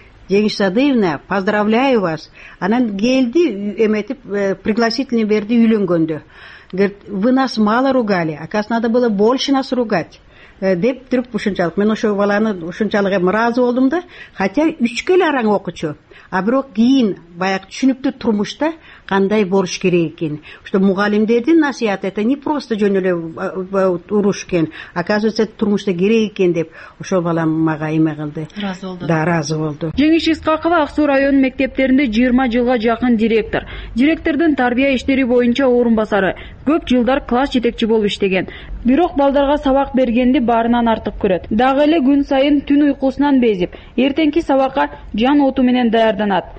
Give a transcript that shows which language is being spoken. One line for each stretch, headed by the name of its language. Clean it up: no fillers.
Russian: Жеңиш Садыевна, поздравляю вас.
Kyrgyz: Анан келди, эметип пригласительный берди, үйлөнгөндө.
Russian: Говорит, вы нас мало ругали, оказывается, надо было больше нас ругать.
Kyrgyz: Деп туруп ушунчалык. Мен ошо баланы ушунчалык эми ыраазы болдум да, хотя үчкө эле араң окуучу. А бирок кийин баягы түшүнүптү турмушта кандай болуш керек экен. Что мугалимдердин насыяты это не просто жөн эле уруш экен. Оказывается, турмушта керек экен деп ошол балам мага эме кылды. Ыраазы болду. Да, ыраазы болду. Жеңиш Искакова Аксуу районунун мектептеринде 20 жылга жакын директор. Директордун тарбия иштери боюнча орун басары. Көп жылдар класс жетекчи болуп иштеген. Бирок балдарга сабак бергенди баарынан артык көрөт. Дагы эле күн сайын түн уйкусунан безип, эртеңки сабакка жан оту менен даярданат.